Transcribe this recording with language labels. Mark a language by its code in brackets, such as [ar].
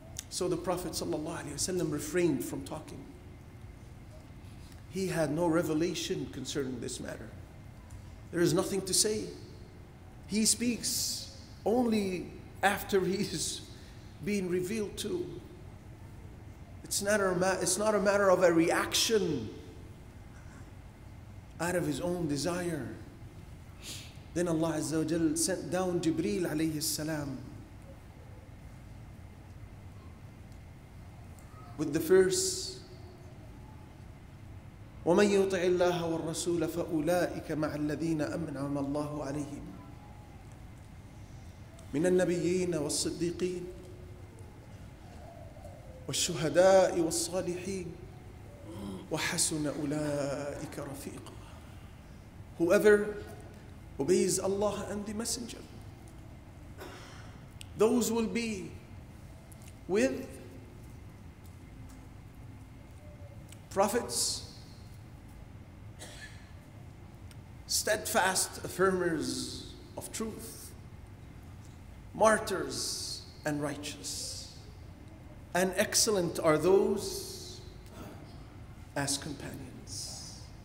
[en] So the Prophet sallallahu alaihi wasallam refrained from talking. He had no revelation concerning this matter. There is nothing to say. He speaks only after he is being revealed to. It's not a matter of a reaction out of his own desire. Then Allah Azza wa Jal sent down Jibreel alayhi salam with the verse, [ar] وَمَنْ يُطِعِ اللَّهَ وَالرَّسُولَ فَأُولَٰئِكَ مَعَ الَّذِينَ أَمْنَعَمَ اللَّهُ عَلَيْهِمْ مِنَ النَّبِيِّينَ وَالصِّدِّيقِينَ وَالشُّهَدَاءِ وَالصَّالِحِينَ وَحَسُنَ أُولَٰئِكَ رَفِيقًا. [en] Whoever obeys Allah and the Messenger, those will be with prophets, steadfast affirmers of truth, martyrs and righteous, and excellent are those as companions.